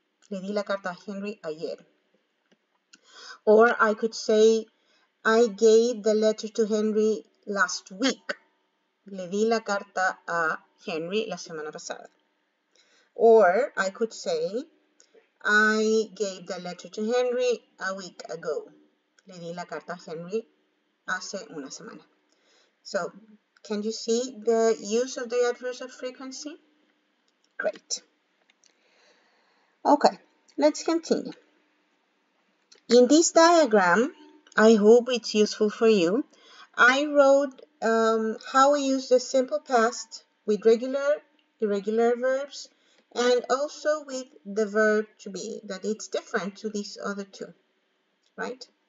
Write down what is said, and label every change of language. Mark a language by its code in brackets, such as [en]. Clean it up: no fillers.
[es] Le di la carta a Henry ayer. [en] Or I could say, I gave the letter to Henry last week. [es] Le di la carta a Henry la semana pasada. [en] Or I could say, I gave the letter to Henry a week ago. [es] Le di la carta a Henry hace una semana. [en] So, can you see the use of the adverbs of frequency? Great. Okay, let's continue. In this diagram, I hope it's useful for you, I wrote how we use the simple past with regular, irregular verbs, and also with the verb to be, that it's different to these other two, right?